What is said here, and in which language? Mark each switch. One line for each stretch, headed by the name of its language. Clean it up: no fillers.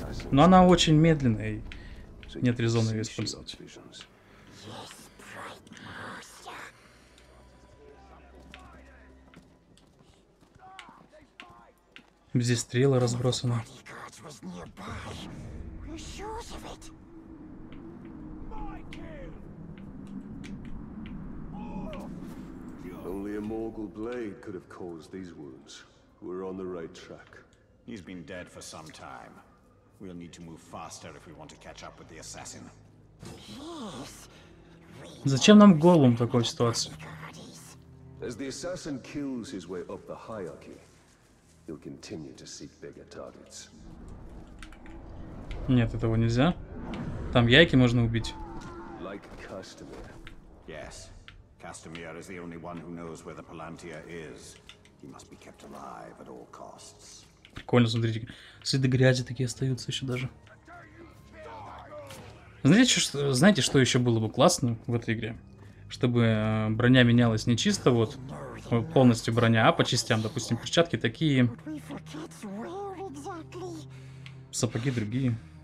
Russian: Но она очень медленная, и нет резона ее использовать. Здесь стрелы разбросаны.
English: Only a Morgul blade could have caused these wounds. We're on the right track. He's been dead for some time. We'll need to move faster if we want to catch up with the assassin.
Russian: Зачем нам голум в такой ситуации?
English: As the assassin kills his way up the hierarchy, he'll continue to seek bigger targets.
Russian: Нет, этого нельзя. Там яйки можно убить.
English: Like Castamir. Yes. Castamir is the only one who knows where the Palantir is. He must be kept alive at all costs.
Russian: Прикольно, смотрите, следы грязи такие остаются еще даже. Знаете, что еще было бы классно в этой игре? Чтобы броня менялась не чисто вот полностью броня, а по частям. Допустим, перчатки такие, сапоги другие.